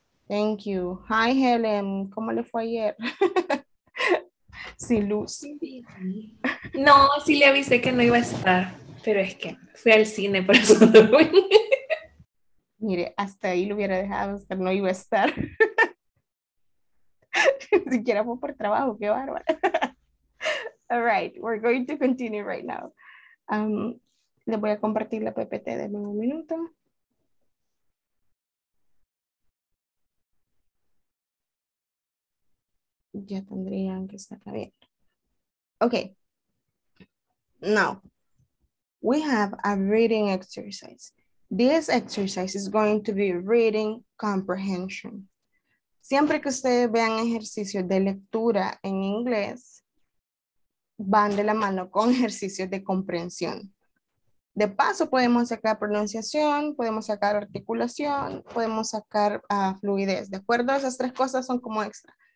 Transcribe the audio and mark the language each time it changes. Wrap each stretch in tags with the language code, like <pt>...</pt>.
<en>Thank you. Hi,</en> <es>Helen. ¿Cómo le fue ayer? Sin luz. No, sí le avisé que no iba a estar, pero es que fui al cine, por eso no fui. Mire, hasta ahí lo hubiera dejado, hasta no iba a estar. Siquiera fue por trabajo, qué bárbara.</es> <en>All right, we're going to continue right now.</en> <es>Les voy a compartir la PPT de un minuto. Ya tendrían que estar bien. Okay.</es> <en>Now, we have a reading exercise. This exercise is going to be reading comprehension.</en> <es>Siempre que ustedes vean ejercicios de lectura en inglés, van de la mano con ejercicios de comprensión. De paso, podemos sacar pronunciación, podemos sacar articulación, podemos sacar fluidez. De acuerdo, esas tres cosas son como extra.</es>